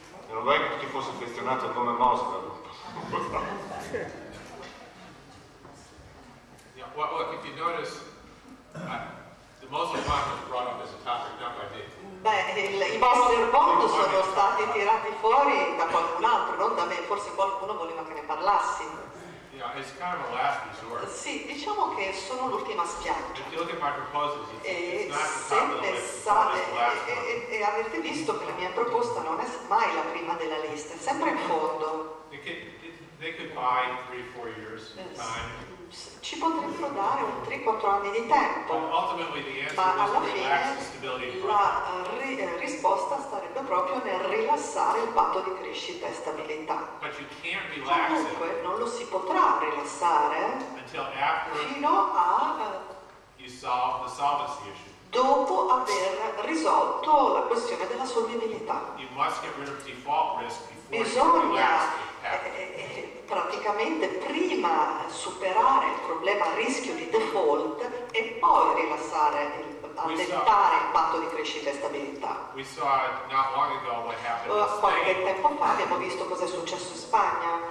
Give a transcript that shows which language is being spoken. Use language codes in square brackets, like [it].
[it] Non vorrei che ti fosse affezionato come Mosler. [en] Yeah, well, look, if you notice, the Mosler bond was brought up as a topic, not by me. [it] Beh, i Mosler bond sono stati tirati fuori da qualcun altro, non da me, forse qualcuno voleva che ne parlassi. [en] Yeah, it's kind of a last resort. [it] Sì, diciamo che sono l'ultima spiaggia. [en] If you look at my proposals, it's not the top of the list. [it] E avete visto che la mia proposta non è mai la prima della lista, è sempre in fondo. [en] They could buy 3-4 years of time. [it] Ci potrebbero dare un 3-4 anni di tempo. [en] Ultimately the answer [it] risposta starebbe proprio nel rilassare il patto di crescita e stabilità. [en] But you can't relax it. [it] Comunque non lo si potrà rilassare fino a [en] you solve the solvency issue. [it] Dopo aver risolto la questione della solvibilità. [en] You must get rid of default risk before [it] bisogna [en] you relax it. [it] Praticamente praticamente prima superare il problema a rischio di default e poi rilassare, allentare il patto di crescita e stabilità. [en] We saw not long ago what happened in Spain. [it] Qualche tempo fa abbiamo visto cosa è successo in Spagna,